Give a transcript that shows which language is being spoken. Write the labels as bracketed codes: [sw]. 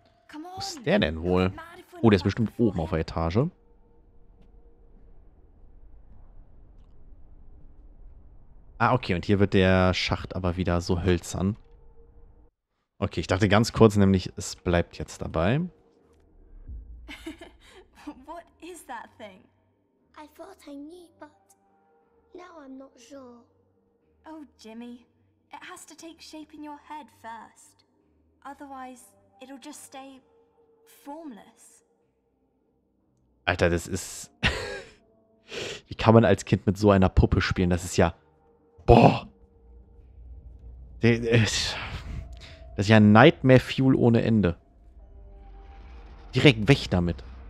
[de] Wo ist der denn wohl? Oh, der ist bestimmt oben auf der Etage. Ah, okay, und hier wird der Schacht aber wieder so hölzern. Okay, ich dachte ganz kurz nämlich, es bleibt jetzt dabei. [en] What is that thing? I thought I knew, but now I'm not sure. Oh, Jimmy, it has to take shape in your head first. Otherwise, it'll just stay formless. [de] Alter, das ist... Wie kann man als Kind mit so einer Puppe spielen? Das ist ja... Boah! Das ist ja [en] Nightmare Fuel [de] ohne Ende. Direkt weg damit.